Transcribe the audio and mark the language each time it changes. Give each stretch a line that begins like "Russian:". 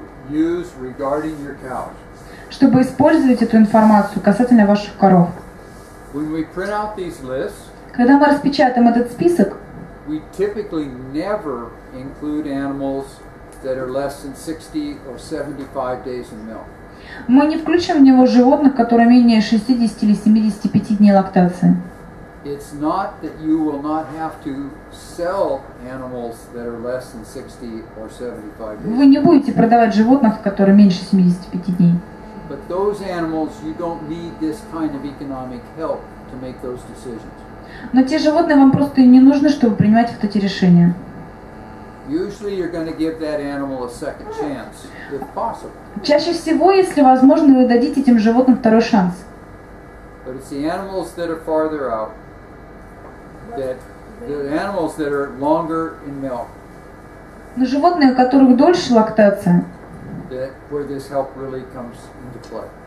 English: Use regarding your cows.
Russian: Чтобы использовать эту информацию касательно ваших коров.
English: When we print out these lists,
Russian: когда мы распечатаем этот список,
English: we typically never include animals that are less than 60 or 75 days in milk.
Russian: Мы не включим в него животных, которые менее 60 или 75 дней лактации.
English: It's not that you will not have to sell animals that are less than 60 or 75 days.
Russian: Вы не будете продавать животных, которые меньше 75 дней.
English: But those animals, you don't need this kind of economic help to make those decisions.
Russian: Но те животные вам просто не нужны, чтобы принимать вот эти решения.
English: Usually you're going to give that animal a second chance, if possible.
Russian: Чаще всего, если возможно, вы дадите этим животным второй шанс.
English: But it's the animals that are farther out. That the animals that are longer in milk.
Russian: Но животные, у которых дольше лактация.
English: That where this help really comes into play.